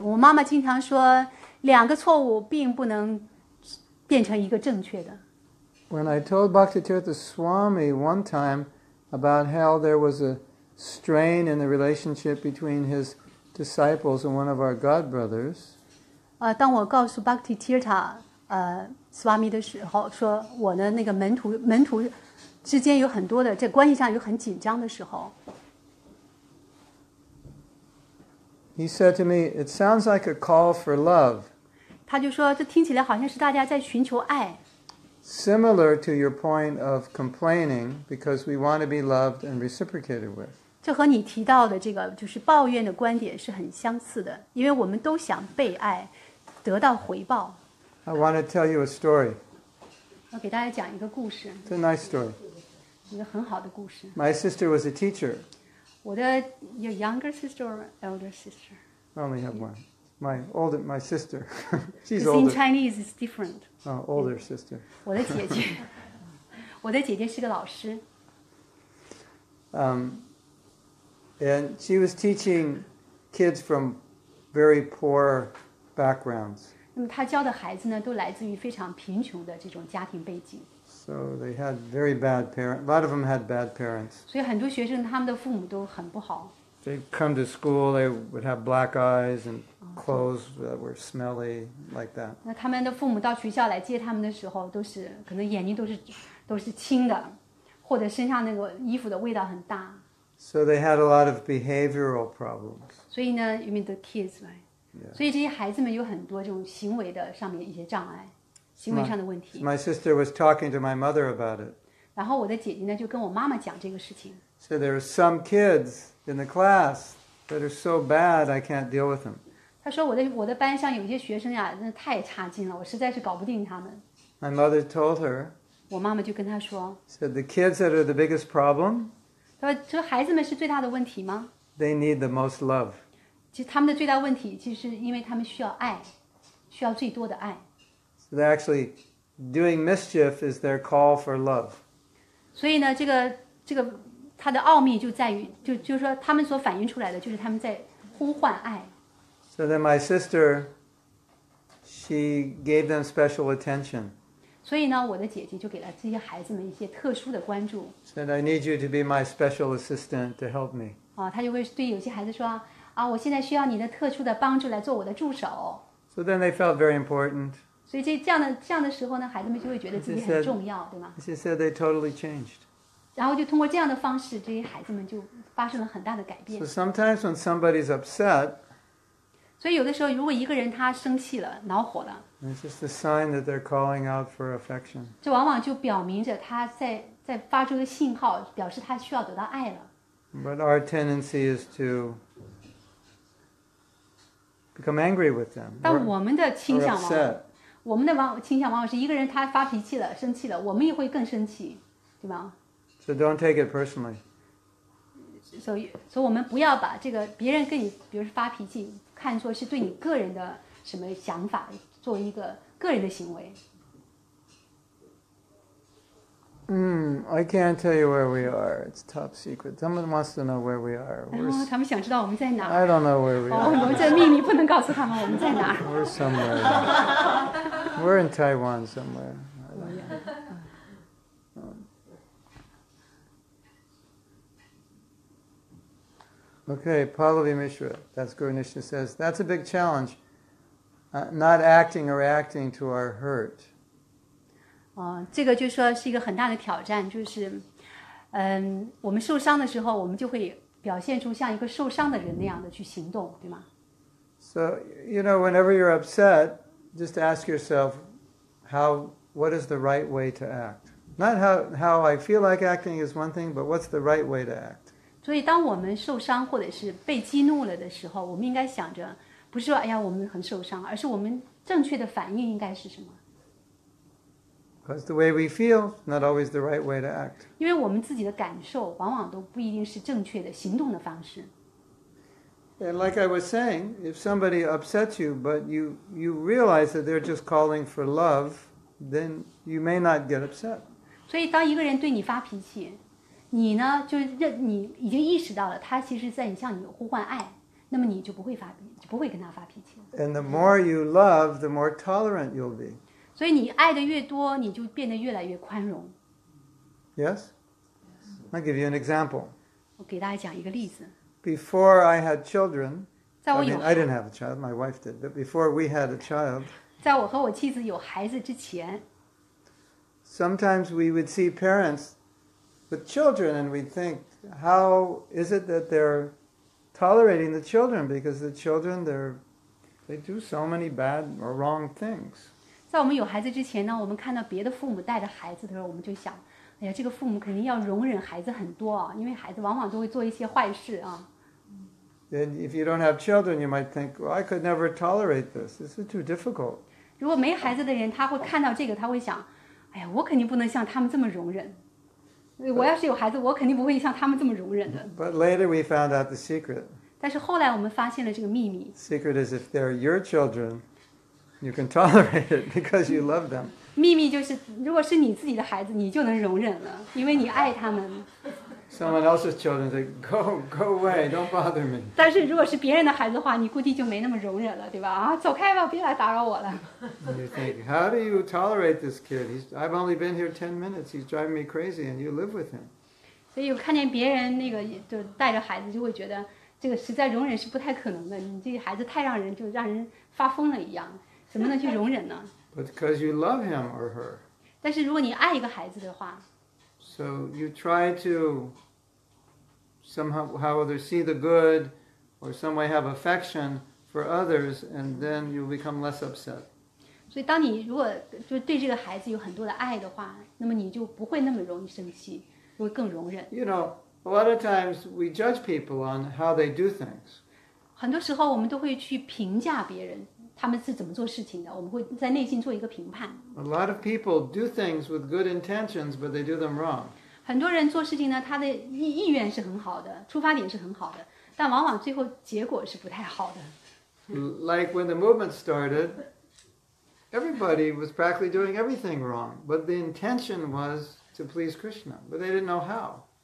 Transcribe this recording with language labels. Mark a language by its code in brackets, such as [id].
[zh] 我妈妈经常说，两个错误并不能变成一个正确的。 [en] When I told Bhaktitirtha Swami one time about how there was a strain in the relationship between his disciples and one of our god brothers, [zh] 当我告诉 Bhaktitirtha, Swami 的时候，说我的那个门徒之间有很多的，在关系上有很紧张的时候。 [en] He said to me, "It sounds like a call for love." [zh] 他就说，这听起来好像是大家在寻求爱。 [en] Similar to your point of complaining, because we want to be loved and reciprocated with. [zh] 这和你提到的这个就是抱怨的观点是很相似的，因为我们都想被爱，得到回报。 [en] I want to tell you a story. [zh] 我给大家讲一个故事。 [en] It's a nice story. [zh] 一个很好的故事。 [en] My sister was a teacher. [zh] 我的 [en] your younger sister or elder sister? I only have one. My sister. She's older. Because in Chinese, it's different. Oh, older sister. [zh] 我的姐姐。我的姐姐是个老师。 [en] And she was teaching kids from very poor backgrounds. [zh] 那么他教的孩子呢，都来自于非常贫穷的这种家庭背景。 [en] So they had very bad parents. A lot of them had bad parents. [zh] 所以很多学生他们的父母都很不好。 [en] They'd come to school, they would have black eyes and clothes that were smelly, like that. [zh] 那他们的父母到学校来接他们的时候，都是可能眼睛都是青的，或者身上那个衣服的味道很大。 [en] So they had a lot of behavioral problems. [zh] 所以呢 [en] ，you mean the kids, right? Yeah. [zh] 所以这些孩子们有很多这种行为的上面一些障碍，行为上的问题。 [en] My sister was talking to my mother about it. [zh] 然后我的姐姐呢就跟我妈妈讲这个事情。 [en] So there are some kids in the class that are so bad I can't deal with them. [zh] 她说我的班上有些学生呀，那太差劲了，我实在是搞不定他们。 [en] My mother told her. [zh] 我妈妈就跟她说。 [en] Said the kids that are the biggest problem. [zh] 她说这孩子们是最大的问题吗 [en] ？They need the most love. [zh] 其实他们的最大问题，其实是因为他们需要爱，需要最多的爱。 [en] So they're actually doing mischief is their call for love. [zh] 所以呢，这个它的奥秘就在于，就是说他们所反映出来的，就是他们在呼唤爱。 [en] So then my sister, she gave them special attention. [zh] 所以呢，我的姐姐就给了这些孩子们一些特殊的关注。 [en] Said I need you to be my special assistant to help me. [zh] 啊，她就会对有些孩子说。啊，我现在需要你的特殊的帮助来做我的助手。 [en] So then they felt very important. [zh] 所以这样的时候呢，孩子们就会觉得自己很重要，对吗 [en] ？She said they totally changed. [zh] 然后就通过这样的方式，这些孩子们就发生了很大的改变。 [en] So sometimes when somebody's upset, [zh] 所以有的时候如果一个人他生气了、恼火了 [en] ，It's just a sign that they're calling out for affection. [zh] 这往往就表明着他在发出的信号，表示他需要得到爱了。 [en] But our tendency is to become angry with them. [zh] 但我们的倾向往往，我们的倾向往往是一个人他发脾气了、生气了，我们也会更生气，对吧 [en] ？So don't take it personally. [zh] So 我们不要把这个别人跟你，比如说发脾气，看作是对你个人的什么想法，作为一个个人的行为。 [en] I can't tell you where we are. It's top secret. Someone wants to know where we are. I don't know where we are. We're somewhere. We're in Taiwan somewhere. Okay, Pallavi Mishra. That's Guru Nishna says. That's a big challenge. Not acting or reacting to our hurt. [zh] 这个就是说是一个很大的挑战，就是，我们受伤的时候，我们就会表现出像一个受伤的人那样的去行动，对吗 [en] ？So you know, whenever you're upset, just ask yourself, what is the right way to act? Not how I feel like acting is one thing, but what's the right way to act? [zh] 所以，当我们受伤或者是被激怒了的时候，我们应该想着，不是说哎呀我们很受伤，而是我们正确的反应应该是什么？ [en] Because the way we feel is not always the right way to act. [zh] 因为我们自己的感受往往都不一定是正确的行动的方式。 [en] And like I was saying, if somebody upsets you, but you realize that they're just calling for love, then you may not get upset. [zh] 所以当一个人对你发脾气，你呢就认你已经意识到了他其实在向你呼唤爱，那么你就不会发脾气，就不会跟他发脾气。 [en] And the more you love, the more tolerant you'll be. [zh] 所以你爱的越多，你就变得越来越宽容。 [en] Yes. I'll give you an example. [zh] 我给大家讲一个例子。 [en] Before I had children, I didn't have a child, my wife did, but before we had a child, sometimes we would see parents with children and we'd think, how is it that they're tolerating the children? Because the children, they do so many bad or wrong things. [zh] 在我们有孩子之前呢，我们看到别的父母带着孩子的时候，我们就想，哎呀，这个父母肯定要容忍孩子很多啊，因为孩子往往都会做一些坏事啊。 [en] And if you don't have children, you might think, well, I could never tolerate this. This is too difficult. [zh] 如果没孩子的人，他会看到这个，他会想，哎呀，我肯定不能像他们这么容忍。我要是有孩子，我肯定不会像他们这么容忍的。 [en] But later we found out the secret. [zh] 但是后来我们发现了这个秘密。 [en] Secret is if they're your children, you can tolerate it because you love them. [zh] 秘密就是，如果是你自己的孩子，你就能容忍了，因为你爱他们。 [en] Someone else's children say, go away, don't bother me. [zh] 但是如果是别人的孩子的话，你估计就没那么容忍了，对吧？啊，走开吧，别来打扰我了。 [en] You think, how do you tolerate this kid? I've only been here 10 minutes. He's driving me crazy, and you live with him. [zh] 所以我看见别人那个就带着孩子，就会觉得这个实在容忍是不太可能的。你这孩子太让人就让人发疯了一样，怎么能去容忍呢？ [en] But because you love him or her. [zh] 但是如果你爱一个孩子的话。 [en] So you try to somehow how either see the good or some way have affection for others, and then you become less upset. [zh] 所以当你如果就对这个孩子有很多的爱的话，那么你就不会那么容易生气，会更容忍。 [en] You know, a lot of times we judge people on how they do things. [zh] 很多时候我们都会去评价别人。他们是怎么做事情的？我们会在内心做一个评判。 [en] A lot of people do things with good intentions, but they do them wrong. [zh] 很多人做事情呢，他的意愿是很好的，出发点是很好的，但往往最后结果是不太好的。 [en] Like when the movement started, everybody was practically doing everything wrong, but the intention was to please Krishna, but they didn't know how.